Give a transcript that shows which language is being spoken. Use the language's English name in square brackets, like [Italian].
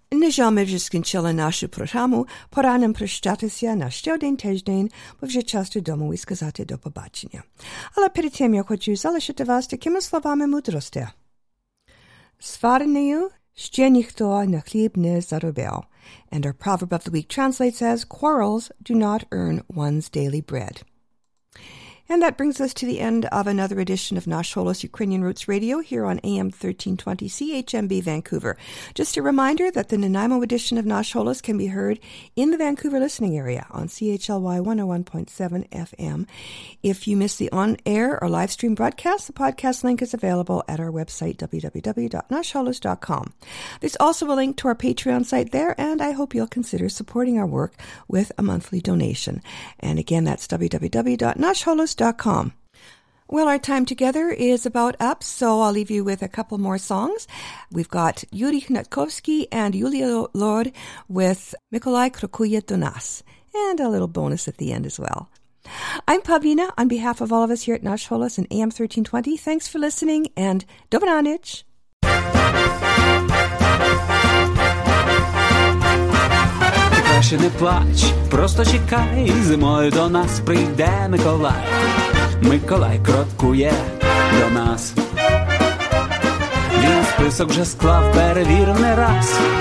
[Ukrainian] Що ми вже скінчили нашу програму, пора нам прощатися на ще один тиждень, бо вже час додому і сказати до побачення. Але перед тим я хочу залишити вас такими словами мудрості. Сварнею ще ніхто на хліб не заробив. [English] And our proverb of the week translates as, quarrels do not earn one's daily bread. And that brings us to the end of another edition of Nash Holos Ukrainian Roots Radio here on AM 1320 CHMB Vancouver. Just a reminder that the Nanaimo edition of Nash Holos can be heard in the Vancouver listening area on CHLY 101.7 FM. If you miss the on-air or live stream broadcast, the podcast link is available at our website, www.nashholos.com. There's also a link to our Patreon site there, and I hope you'll consider supporting our work with a monthly donation. And again, that's www.nashholos.com. Well, our time together is about up, so I'll leave you with a couple more songs. We've got Yuri Hnatkovsky and Yulia Lord with Mikolai Krokuje do nas, and a little bonus at the end as well. I'm Pavina. On behalf of all of us here at Nash Holos and AM 1320, thanks for listening, and Dobranich. [Ukrainian] Краще не плач, просто чекай, зимою до нас прийде Миколай. Миколай кроткує до нас. Він список вже склав, перевір не раз.